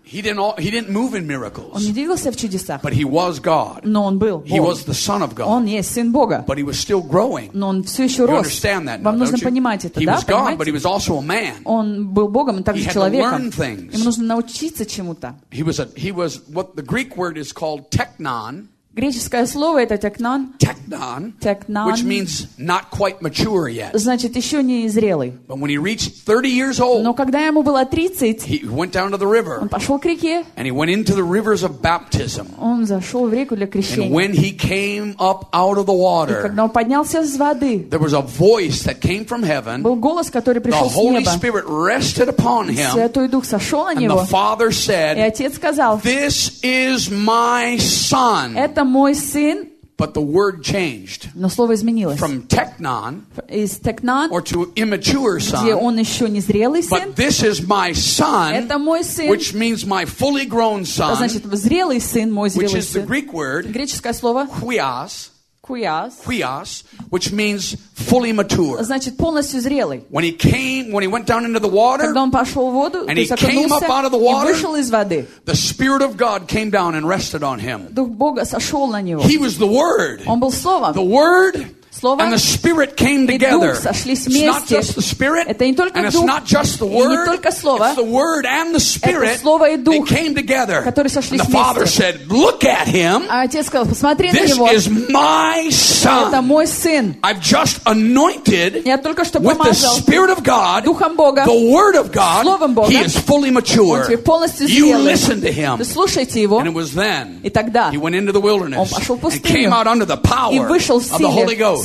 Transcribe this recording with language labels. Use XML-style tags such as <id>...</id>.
<en>He didn't move in miracles.</en> <ru>Он не двигался в чудесах.</ru> <en>But he was God.</en> <ru>Но он был Бог.</ru> <en>He was the Son of God.</en> <ru>Он есть Сын Бога.</ru> <en>But he was still growing.</en> <ru>Но он все еще рос.</ru> <en>You understand that?</en> <ru>Вам нужно</ru> <en>don't you?</en> <ru>Понимать это,</ru> <en>he</en> <ru>да?</ru> <en>He was God,</en> <ru>понимаете?</ru> <en>But he was also a man.</en> <ru>Он был Богом, но также</ru> <en>he had</en> <ru>человеком.</ru> <en>To learn things.</en> <ru>Ему нужно научиться чему-то.</ru> <en>He was what the Greek word is called technon.</en> <ru>Греческое слово это technon.</ru> <en>Technon.</en> <ru>Technon.</ru> <en>Which means not quite mature yet.</en> <ru>Значит, еще не зрелый.</ru> <en>But when he reached 30 years old.</en> <ru>Но когда ему было 30.</ru> <en>He went down to the river.</en> <ru>Он пошел к реке.</ru> <en>And he went into the rivers of baptism.</en> <ru>Он зашел в реку для крещения.</ru> <en>And when he came up out of the water.</en> <ru>И когда он поднялся из воды.</ru> <en>There was a voice that came from heaven.</en> <ru>Был голос, который пришел с неба.</ru> <en>The Holy Spirit rested upon him.</en> <ru>Святой Дух сошел на него.</ru> <en>And the Father said.</en> <ru>И отец сказал.</ru> <en>This is my son.</en> <ru>Это мой сын.</ru> <en>But the word changed.</en> <ru>Но слово изменилось.</ru> <en>From technon,</en> <ru>is technon,</ru> <en>or to immature son.</en> <ru>Где он еще не зрелый сын.</ru> <en>But this is my son.</en> <ru>Это мой сын.</ru> <en>Which means my fully grown son.</en> <ru>Это значит зрелый сын, мой зрелый сын.</ru> <en>Which is the Greek word.</en> <ru>Греческое слово.</ru> <en>Huios.</en> <ru>Huios.</ru> <en>Huios, which means fully mature.</en> <ru>Значит полностью зрелый.</ru> <en>When he went down into the water.</en> <ru>Когда он пошел в воду.</ru> <en>And he came up out of the water.</en> <ru>И вышел из воды.</ru> <en>The Spirit of God came down and rested on him.</en> <ru>Дух Бога сошел на него.</ru> <en>He was the Word.</en> <ru>Он был Словом.</ru> <en>The Word.</en> <ru>Слово.</ru> <en>And the Spirit came together.</en> <ru>И Дух сошлись вместе.</ru> <en>It's not just the Spirit.</en> <ru>Это не только</ru> <en>and</en> <ru>Дух.</ru> <en>And it's not just the Word.</en> <ru>И не только Слово.</ru> <en>It's the Word and the Spirit.</en> <ru>Это Слово и Дух.</ru> <en>They came together.</en> <ru>Которые сошлись вместе.</ru> <en>And the Father said, "Look at him."</en> <ru>А отец сказал, посмотри на него.</ru> <en>This is my son.</en> <ru>Это мой сын.</ru> <en>I've just anointed.</en> <ru>Я только что помазал.</ru> <en>With the Spirit of God.</en> <ru>Духом Бога.</ru> <en>The Word of God.</en> <ru>Словом Бога.</ru> <en>He is fully mature.</en> <ru>Он теперь полностью зрелый.</ru> <en>You listen to him.</en> <ru>Вы слушайте его.</ru> <en>And it was then.</en> <ru>И тогда.</ru> <en>He went into the wilderness.</en> <ru>Он пошел в пустыню.</ru> <en>And came out under the power of the Holy Ghost.</en>